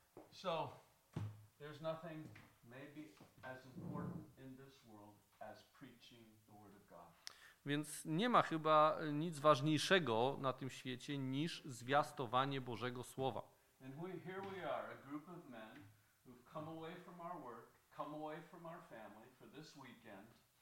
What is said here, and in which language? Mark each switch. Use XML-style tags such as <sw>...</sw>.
<en>So, there's nothing maybe as important in this world as preaching the word of God.</en> <pl>Więc nie ma chyba nic ważniejszego na tym świecie niż zwiastowanie Bożego słowa.</pl> <en>And we, here we are, a group of men who've come away from our work, come away from our family for this weekend.</en>